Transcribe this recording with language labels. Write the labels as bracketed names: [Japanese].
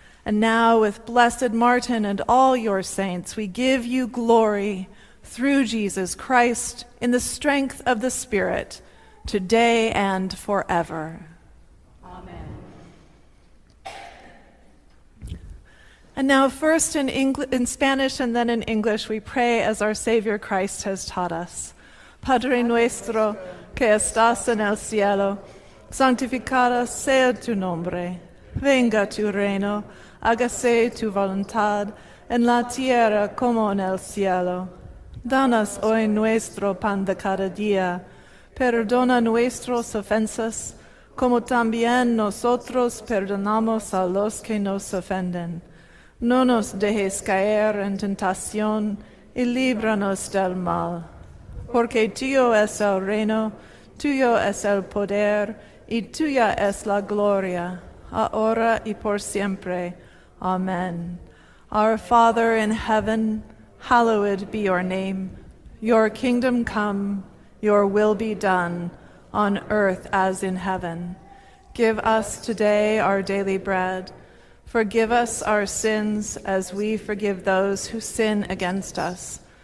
[English] And now, with Blessed Martin and all your saints, we give you glory through Jesus Christ in the strength of the Spirit, today and forever. And now, first in Spanish and then in English, we pray as our Savior Christ has taught us. [Spanish] Padre nuestro que estás en el cielo, santificado sea tu nombre. Venga tu reino, hágase tu voluntad en la tierra como en el cielo. Danos hoy nuestro pan de cada día. Perdona nuestras ofensas, como también nosotros perdonamos a los que nos ofenden. No nos dejes caer en tentación y líbranos del mal. Porque tuyo es el reino, tuyo es el poder y tuya es la gloria, ahora y por siempre. [English] Amen. Our Father in heaven, hallowed be your name. Your kingdom come, your will be done, on earth as in heaven. Give us today our daily bread. Forgive us our sins as we forgive those who sin against us.